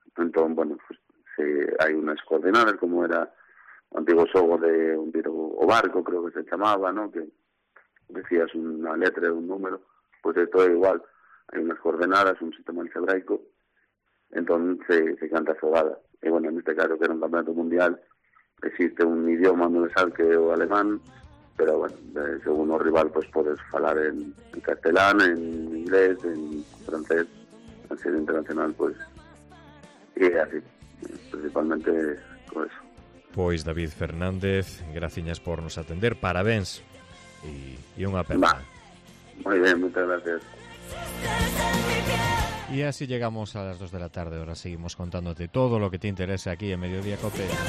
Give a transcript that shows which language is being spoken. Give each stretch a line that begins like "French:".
Galician: Entón, bueno, pues, se hai unhas coordenadas, como era o antigo xogo de un tiro o barco, creo que se chamaba, ¿no? Que decías unha letra e un número, pues esto é igual, hai unhas coordenadas, un sistema algebraico, entón se canta a xogada. E, bueno, en este caso, que era un campeonato mundial, existe un idioma universal que é o alemán, pero, bueno, según o rival, pues podes falar en castelán, en inglés, en francés, a ser internacional, pues, y así, principalmente con eso. Pois, David Fernández, graciñas por nos atender, parabéns y unha aperta.
Spanish: Muy bien, muchas gracias. Y así llegamos a las 2 de la tarde, ahora seguimos contándote todo lo que te interesa aquí en Mediodía COPE.